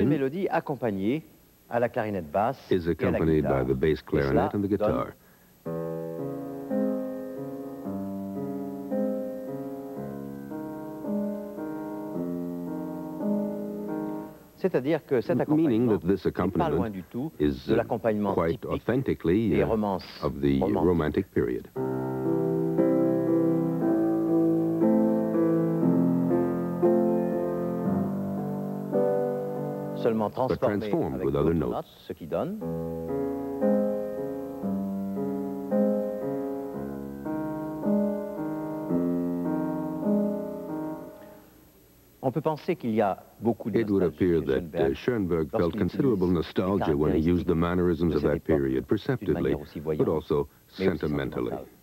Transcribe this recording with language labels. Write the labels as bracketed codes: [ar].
[fr] est une mélodie accompagnée à la clarinette basse [en] is accompanied by the bass clarinet and the guitar. [fr] C'est-à-dire que cet accompagnement n'est pas loin du tout de l'accompagnement typique des romances [en] of the romantic period. [fr] Seulement transformé avec d'autres notes, ce qui donne on peut penser qu'il y a beaucoup de [en] Schoenberg felt considerable nostalgia when he used the mannerisms of that period, perceptively, but also sentimentally.